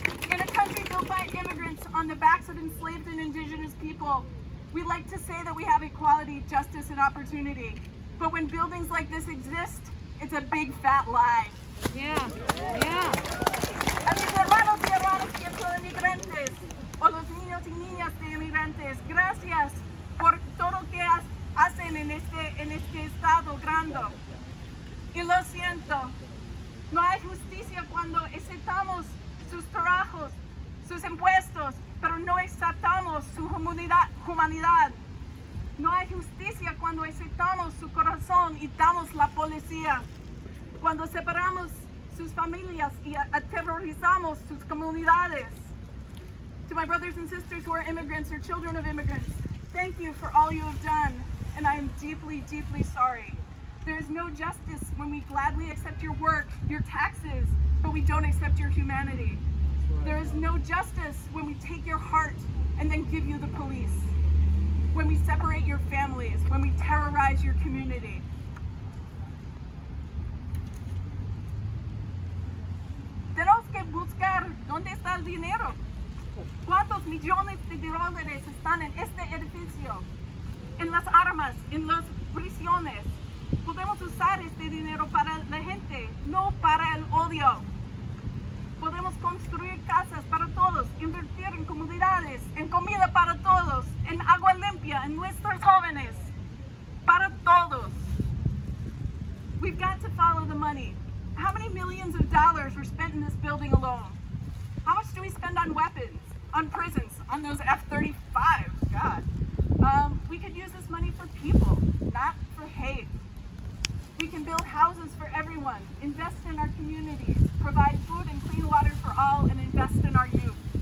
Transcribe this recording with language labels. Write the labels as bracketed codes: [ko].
[en] In a country built by immigrants on the backs of enslaved and indigenous people, we like to say that we have equality, justice, and opportunity. But when buildings like this exist, it's a big fat lie. Yeah. [es] Yeah. A mis hermanos y hermanas que son inmigrantes, o los niños y niñas de inmigrantes, gracias por todo que hacen en este estado grande. Y lo siento, no hay justicia cuando aceptamos sus trabajos, sus impuestos, pero no aceptamos su humanidad. No hay justicia cuando aceptamos su corazón y damos la policía. Cuando separamos sus familias y aterrorizamos sus comunidades. [en] To my brothers and sisters who are immigrants or children of immigrants, thank you for all you have done, and I am deeply, deeply sorry. There is no justice when we gladly accept your work, your taxes, but we don't accept your humanity. There is no justice when we take your heart and then give you the police. When we separate your families, when we terrorize your community. [es] Tenemos que buscar dónde está el dinero. ¿Cuántos millones de dólares están en este edificio? En las armas, en las prisiones. Podemos usar este dinero para la gente, no para el odio. Podemos construir casas para todos, invertir en comunidades, en comida para todos, en agua limpia, en nuestros jóvenes, para todos. [en] We've got to follow the money. How many millions of dollars were spent in this building alone? How much do we spend on weapons, on prisons, on those F-35s? God. We could use this money for people, not for hate. We can build houses for everyone, invest in our communities, provide food and clean water for all, and invest in our youth.